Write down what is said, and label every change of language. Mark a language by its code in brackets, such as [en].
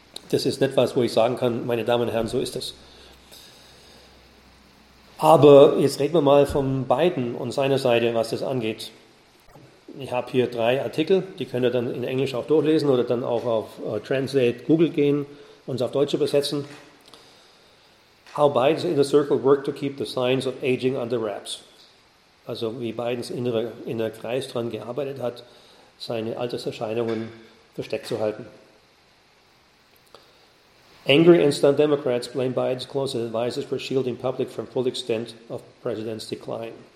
[de] Das ist nicht was, wo ich sagen kann, meine Damen und Herren, so ist es. Aber jetzt reden wir mal von Biden und seiner Seite, was das angeht. Ich habe hier drei Artikel, die könnt ihr dann in Englisch auch durchlesen oder dann auch auf Translate Google gehen und es auf Deutsch übersetzen. [en] How Biden's inner circle worked to keep the signs of aging under wraps. [de] Also wie Bidens innerer Kreis daran gearbeitet hat, seine Alterserscheinungen versteckt zu halten. [en] Angry and stunned Democrats blame Biden's closest advisors for shielding public from full extent of president's decline.